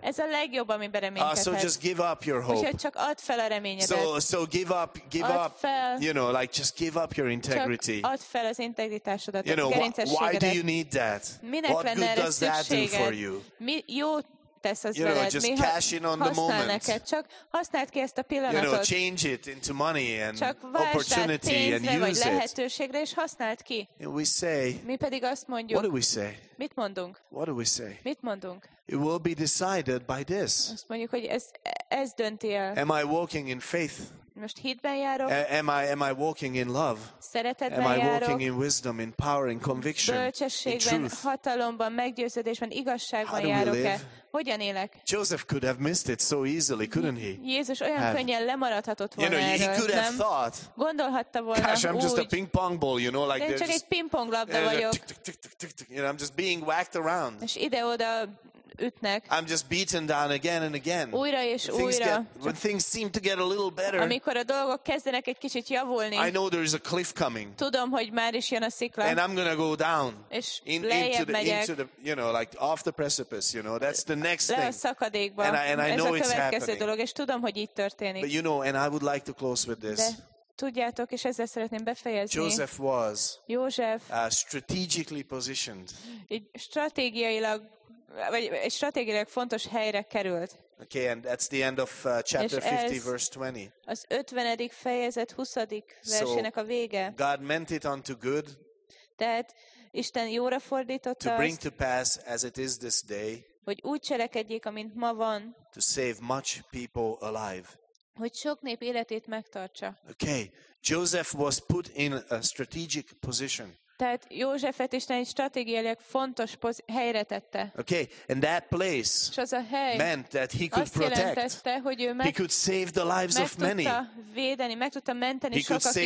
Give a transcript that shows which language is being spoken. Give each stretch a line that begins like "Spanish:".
Hungarian: Ez a legjobb, ami reménykedhet.
English: So just give up your hope.
Hungarian: Úgyhogy csak add fel a reményedet.
English: So give up.
Hungarian: Fel,
English: you know, like just give up your integrity.
Hungarian: Csak add fel az integritásodat,
English: you know,
Hungarian: a gerincességedet.
English: Why do you need that?
Hungarian: Minek
English: what good does that do for you?
Hungarian: Mi jó tesz az veled.
English: Just mi cash in on the moment.
Hungarian: Neked. Csak használd ki ezt a pillanatot.
English: You know, change it into money and opportunity and use it.
Hungarian: Lehetőségre, és használd ki.
English: And we say,
Hungarian: mi pedig azt mondjuk,
English: what do we say?
Hungarian: Mit mondunk?
English: What do we say?
Hungarian: Mit mondunk?
English: It will be decided by this.
Hungarian: Azt mondjuk, hogy ez dönti el.
English: Am I walking in faith?
Hungarian: Most hitben járok.
English: Am I walking in love?
Hungarian: Szeretetben
English: am I
Hungarian: járok?
English: Walking in wisdom, in power, in conviction,
Hungarian: bölcsességben,
English: in truth?
Hungarian: Hatalomban, meggyőződésben, igazságban járok-e? Hogyan élek?
English: Joseph could have missed it so easily, couldn't he?
Hungarian: Jézus olyan könnyen lemaradhatott volna,
English: you know,
Hungarian: erről,
English: he could have
Hungarian: nem?
English: Thought,
Hungarian: gondolhatta volna
English: gosh, I'm
Hungarian: úgy.
English: Just a ping pong ball, you know, like
Hungarian: én csak
English: just,
Hungarian: egy ping pong labda vagyok.
English: You know, I'm just being whacked around.
Hungarian: És ide-oda ütnek.
English: I'm just beaten down again and again.
Hungarian: Újra és
English: when
Hungarian: újra.
English: Get, when things seem to get a little better.
Hungarian: Amikor a dolgok kezdenek egy kicsit javulni.
English: I know there is a cliff coming.
Hungarian: Tudom, hogy már is jön a szikla.
English: And I'm gonna go down.
Hungarian: És lejjebb megyek.
English: Into the, you know, like off the precipice, you know, that's the next thing.
Hungarian: Le a szakadékba.
English: And I
Hungarian: ez
English: know
Hungarian: a következő
English: it's happening.
Hungarian: Dolog, és tudom, hogy így történik.
English: But you know, and I would like to close with this.
Hungarian: De tudjátok, és ezzel szeretném befejezni.
English: Joseph was.
Hungarian: József.
English: Strategically positioned.
Hungarian: Így stratégiailag. Vagy egy stratégiailag fontos helyre került.
English: Okay, and that's the end of chapter 50, verse 20.
Hungarian: Az 50. fejezet 20. versének a vége.
English: So God meant it unto good.
Hungarian: Tehát Isten jóra fordította.
English: To bring to pass as it is this day.
Hungarian: Hogy úgy cselekedjék, amint ma van.
English: To save much people alive.
Hungarian: Hogy sok nép életét megtartsa.
English: Okay, Joseph was put in a strategic position.
Hungarian: Tehát Józsefet is egy stratégiailag fontos helyre tette.
English: Okay, and that place meant that he could protect. He could save the lives of many.
Hungarian: Meg tudta védeni, meg tudta menteni sokak életét.